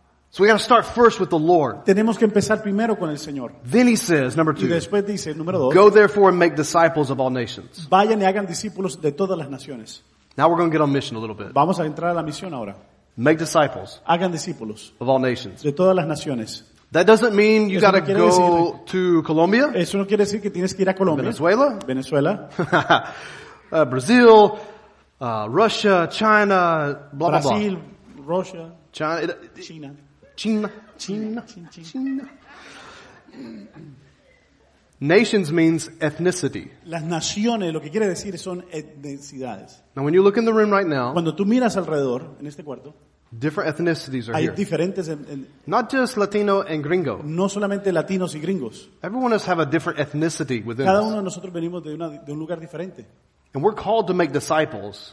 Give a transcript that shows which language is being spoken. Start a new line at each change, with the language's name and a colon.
English: So we got to start first with the Lord.
Spanish: Tenemos que empezar primero con el Señor.
English: Then he says, number two.
Spanish: Y después dice, número dos,
English: go therefore and make disciples of all nations.
Spanish: Vayan y hagan discípulos de todas las naciones.
English: Now we're going to get on mission a little bit.
Spanish: Vamos a entrar a la misión ahora.
English: Make disciples.
Spanish: Hagan discípulos
English: of all nations.
Spanish: De todas las naciones.
English: That doesn't mean you got to go to Colombia.
Spanish: Eso no quiere decir que tienes que ir a Colombia.
English: Venezuela.
Spanish: Venezuela.
English: Brazil. Russia. China. Blah,
Spanish: Brazil,
English: blah, blah. Brazil. Russia. China.
Spanish: China.
English: Nations means ethnicity.
Spanish: Las naciones, lo que quiere decir son etnicidades.
English: Now, when you look in the room right now,
Spanish: cuando tú miras alrededor en este cuarto,
English: different ethnicities are
Spanish: hay
English: here.
Spanish: Diferentes
English: not just Latino and Gringo.
Spanish: No solamente latinos y gringos.
English: Everyone has a different ethnicity within.
Spanish: Cada uno De nosotros venimos de un lugar diferente.
English: And we're called to make disciples.